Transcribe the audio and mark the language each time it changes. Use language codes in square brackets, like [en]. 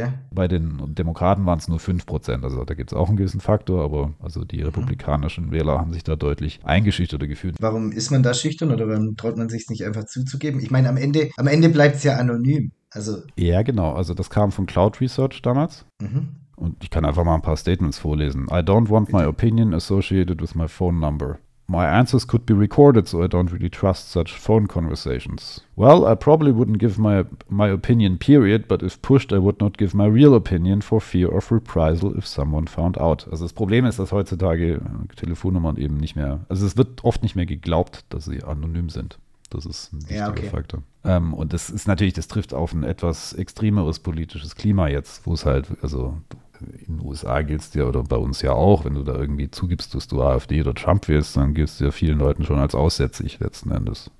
[de] Bei den Demokraten waren es nur 5%. Also da gibt es auch einen gewissen Faktor, aber also die republikanischen Wähler haben sich da deutlich eingeschüchterter gefühlt. Warum ist man da schüchtern oder warum traut man sich es nicht einfach zuzugeben? Ich meine, am Ende bleibt es ja anonym. Also. Ja, genau. Also das kam von Cloud Research damals. Und ich kann einfach mal ein paar Statements vorlesen. [en] I don't want my [de] Bitte. [en] opinion associated with my phone number. My answers could be recorded, so I don't really trust such phone conversations. Well, I probably wouldn't give my opinion, period, but if pushed, I would not give my real opinion for fear of reprisal if someone found out. [de] Also das Problem ist, dass heutzutage Telefonnummern eben nicht mehr, also es wird oft nicht mehr geglaubt, dass sie anonym sind. Das ist ein Ja, wichtiger okay. Faktor. Und das ist natürlich, das trifft auf ein etwas extremeres politisches Klima jetzt, wo es halt, also in den USA gilt es dir oder bei uns ja auch, wenn du da irgendwie zugibst, dass du AfD oder Trump wählst, dann gilt es dir vielen Leuten schon als aussätzig letzten Endes.